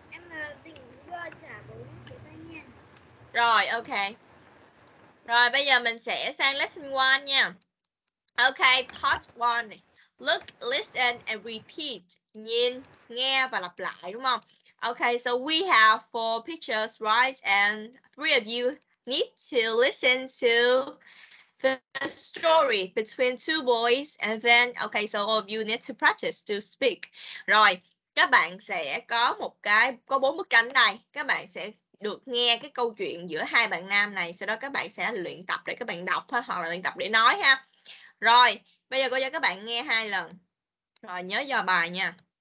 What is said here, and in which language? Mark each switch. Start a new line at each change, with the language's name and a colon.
Vietnamese: Em định đưa trả bốn cái tai nghe. Rồi, ok. Rồi, bây giờ mình sẽ sang lesson 1 nha. Ok, part 1 này.
English: Look, listen, and repeat.
Vietnamese: Nhìn, nghe và lặp lại, đúng không?
English: Okay, so we have 4 pictures, right? And 3 of you need to listen to the story between 2 boys. And then, okay, so all of you need to practice to speak.
Vietnamese: Rồi, các bạn sẽ có một cái, có 4 bức tranh này. Các bạn sẽ được nghe cái câu chuyện giữa hai bạn nam này. Sau đó các bạn sẽ luyện tập để các bạn đọc ha, hoặc là luyện tập để nói ha. Rồi, bây giờ cô cho các bạn nghe hai lần. Rồi, nhớ dò bài nha.